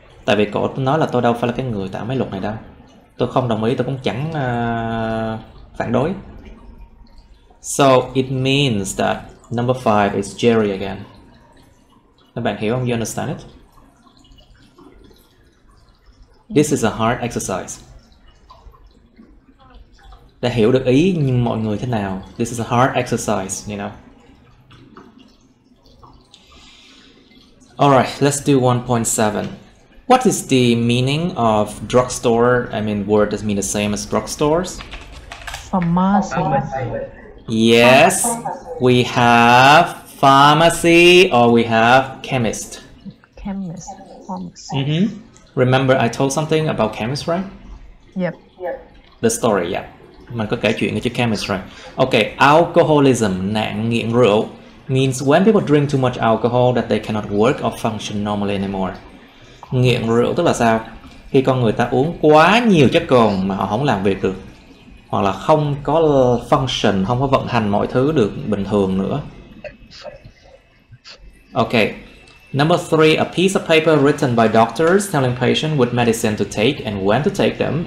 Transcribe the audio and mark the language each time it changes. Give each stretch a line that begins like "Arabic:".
Vietnamese: Tại vì cổ nói là tôi đâu phải là cái người tạo mấy luật này đâu. Tôi không đồng ý, tôi cũng chẳng phản đối.
English: So it means that number 5 is Jerry again.
Vietnamese: Các bạn hiểu không?
English: You understand it? This is a hard exercise.
Vietnamese: Để hiểu được ý nhưng mọi người thế nào.
English: This is a hard exercise, you know. Alright, let's do 1.7. What is the meaning of drugstore? I mean, word does mean the same as drugstores? Pharmacy. Yes, we have pharmacy or we have chemist. Chemist, pharmacy. Mm-hmm. Remember I told something about chemist, right? Yep. The story, yeah.
Vietnamese: Mình có kể chuyện ở chữ chemist, right?
English: Okay, alcoholism,
Vietnamese: nạn nghiện rượu,
English: means when people drink too much alcohol that they cannot work or function normally anymore.
Vietnamese: Nghiện rượu tức là sao? Khi con người ta uống quá nhiều chất cồn mà họ không làm việc được, hoặc là không có function, không có vận hành mọi thứ được bình thường nữa.
English: Okay. Number three, a piece of paper written by doctors telling patients what medicine to take and when to take them.